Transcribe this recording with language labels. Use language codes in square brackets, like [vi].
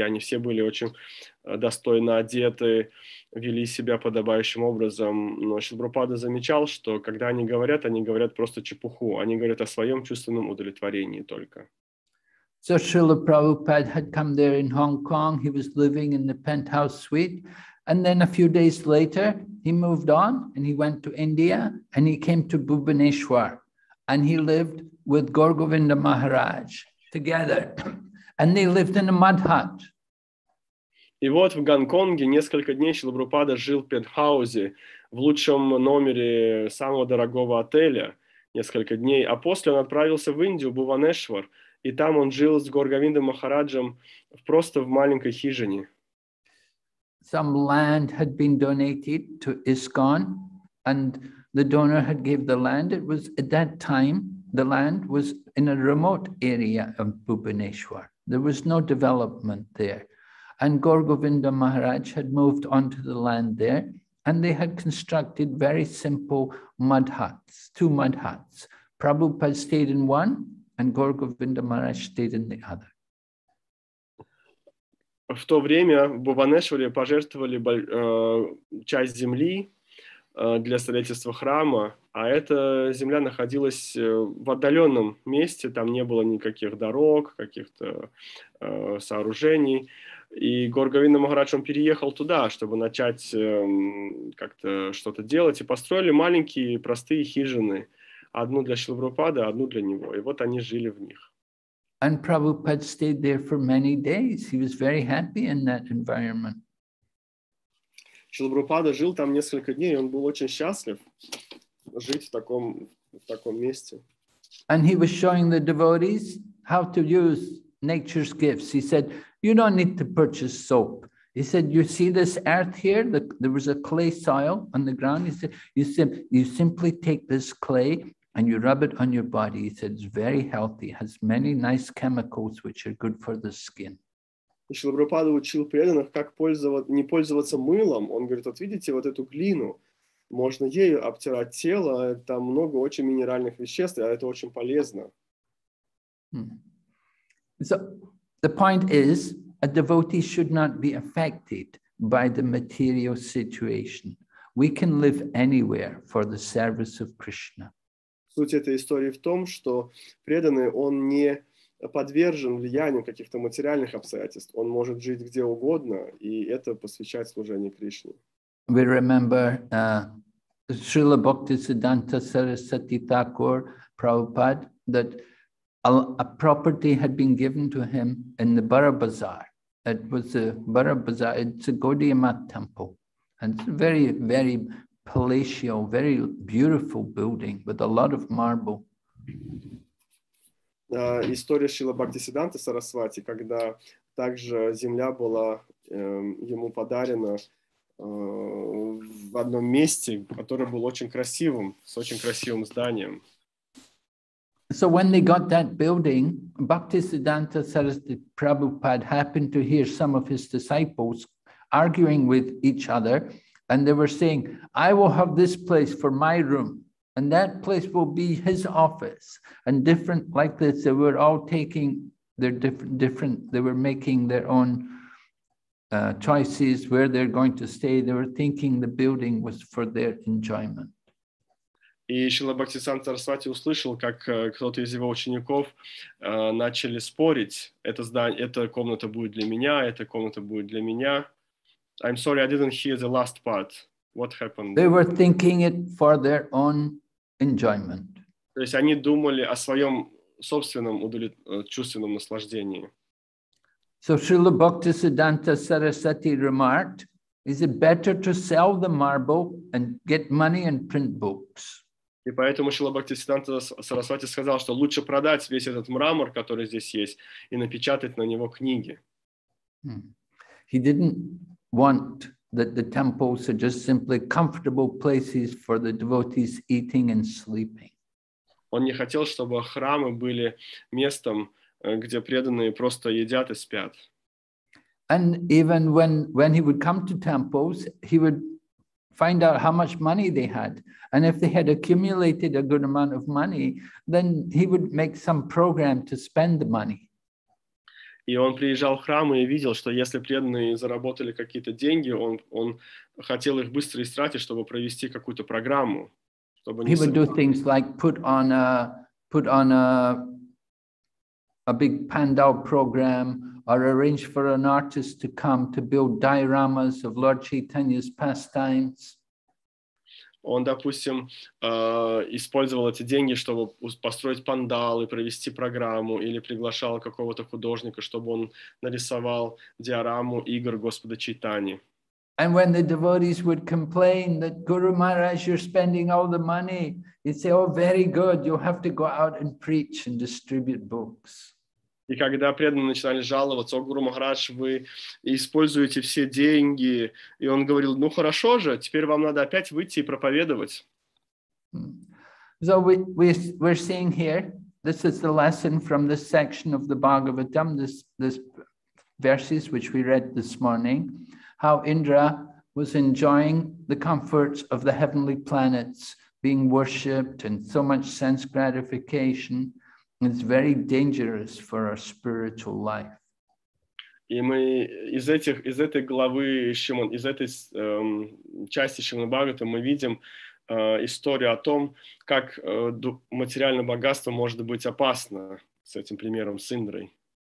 [ru] Они все были очень достойно одеты, вели себя подобающим образом. Но Шрила Прабхупада замечал, что когда они говорят просто чепуху. Они говорят о своем чувственном удовлетворении только. [en] So Srila Prabhupada had come there in Hong Kong. He was living in the penthouse suite. And then a few days later, he moved on and he went to India and he came to Bhubaneswar and he lived with Gaur Govinda Maharaj together and they lived in a mud hut. [ru] И вот в Гонконге несколько дней Шрила Прабхупада жил в пентхаусе в лучшем номере самого дорогого отеля несколько дней, а после он отправился в Индию, Бхубанешвар, и там он жил с Гаур Говиндой Махараджем просто в маленькой хижине. [en] Some land had been donated to ISKCON, and the donor had gave the land. It was at that time, the land was in a remote area of Bhubaneswar. There was no development there. And Gaur Govinda Maharaj had moved onto the land there, and they had constructed very simple mud huts, two mud huts. Prabhupada stayed in one, and Gaur Govinda Maharaj stayed in the other. [ru] В то время в Бхубанешваре пожертвовали часть земли для строительства храма, а эта земля находилась в отдаленном месте, там не было никаких дорог, каких-то сооружений. И Гаур Говинда Махарадж переехал туда, чтобы начать как-то что-то делать, и построили маленькие простые хижины, одну для Шрилы Прабхупады, одну для него, и вот они жили в них. [en] And Prabhupada stayed there for many days. He was very happy in that environment. [ru] Шрила Прабхупада жил там несколько дней, и он был очень счастлив жить в таком месте. [en] And he was showing the devotees how to use nature's gifts. He said, you don't need to purchase soap. He said, you see this earth here? There was a clay soil on the ground. He said, you simply take this clay and you rub it on your body. He said, it's very healthy. It has many nice chemicals which are good for the skin. [ru] И Шрила Прабхупада учил преданных, как не пользоваться мылом. Он говорит, вот видите, вот эту глину, можно ею обтирать тело, там много очень минеральных веществ, а это очень полезно. [en] So, the point is, a devotee should not be affected by the material situation. We can live anywhere for the service of Krishna. [ru] Суть этой истории в том, что преданный, он не подвержен влиянию каких-то материальных обстоятельств. Он может жить где угодно, и это посвящать служению Кришне. [en] We remember Srila Bhaktisiddhanta Sarasvati Thakur Prabhupada, that a property had been given to him in the Bara Bazaar. It was the Bara Bazaar, it's a Gaudiya Math temple. And it's a very, very palatial, very beautiful building with a lot of marble. [ru] История Шрила Бхактисиддханты Сарасвати, когда также земля была ему подарена в одном месте, которое было очень красивым, с очень красивым зданием. [en] So when they got that building, Bhaktisiddhanta Sarasvati Prabhupada happened to hear some of his disciples arguing with each other, and they were saying, I will have this place for my room. And that place will be his office. And different like this, they were all taking their different, they were making their own choices where they're going to stay. They were thinking the building was for their enjoyment. [ru] И Шрила Бхактисиддханта Сарасвати услышал, как кто-то из его учеников начали спорить. Это здание, эта комната будет для меня, эта комната будет для меня. [en] I'm sorry, I didn't hear the last part. What happened? They were thinking it for their own enjoyment. [ru] То есть они думали о своем собственном чувственном наслаждении. [en] So Srila Bhaktisiddhanta Sarasvati remarked, is it better to sell the marble and get money and print books? [ru] И поэтому Шрила Бхактисиддханта Сарасвати сказал, что лучше продать весь этот мрамор, который здесь есть, и напечатать на него книги. [en] He didn't want that the temples are just simply comfortable places for the devotees eating and sleeping. [ru] Он не хотел, чтобы храмы были местом, где преданные просто едят и спят. [en] And even when he would come to temples, he would find out how much money they had. And if they had accumulated a good amount of money, then he would make some program to spend the money. [ru] И он приезжал в храм и видел, что если преданные заработали какие-то деньги, он хотел их быстро истратить, чтобы провести какую-то программу. Чтобы [en] he would do things like put on a big pandal program or arrange for an artist to come to build dioramas of Lord Chaitanya's pastimes. [ru] Он, допустим, использовал эти деньги, чтобы построить пандал и провести программу, или приглашал какого-то художника, чтобы он нарисовал диораму игр Господа Чайтани. [en] And when the devotees would complain that Guru Maharaj, you're spending all the money, he'd say, oh, very good, you'll have to go out and preach and distribute books. [ru] И когда преданные начинали жаловаться, о, Гуру Махарадж, вы используете все деньги. И он говорил, ну хорошо же, теперь вам надо опять выйти и проповедовать. [en] So we're seeing here, this is the lesson from this section of the Bhagavatam, this verses which we read this morning, how Indra was enjoying the comforts of the heavenly planets, being worshipped and so much sense gratification. It's very dangerous for our spiritual life. [ru] И мы из этой главы Шриман, из этой части Шриман-Бхагавата мы видим историю о том, как материальное богатство может быть опасно с этим примером с Индрой.